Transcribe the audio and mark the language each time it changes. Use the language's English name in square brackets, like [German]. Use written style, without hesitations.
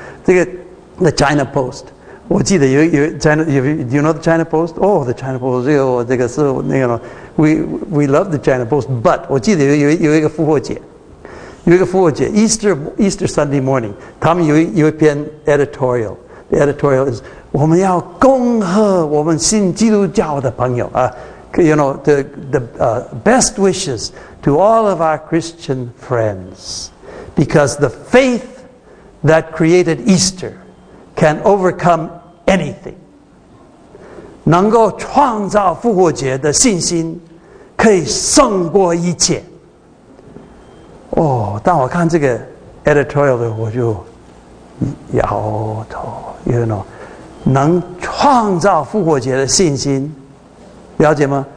[Chinese] 这个 [English] The China Post， [Chinese] 我记得有 [English] China， do you know the China Post？ Oh， the China Post， [Chinese] 这个是那个 [English] ，we love the China Post， but [Chinese] 我记得有一个复活节 [English] Easter Sunday morning， [Chinese] 他们有一篇 [English] editorial， the editorial is [Chinese] 我们要恭贺我们信基督教的朋友啊。 [English] You know, the best wishes to all of our Christian friends, because the faith that created Easter can overcome anything. [Chinese] 能够创造复活节的信心可以胜过一切。哦，当我看这个 editorial 的时候，我就摇头。 [English] You know, [Chinese] 能创造复活节的信心。了解吗？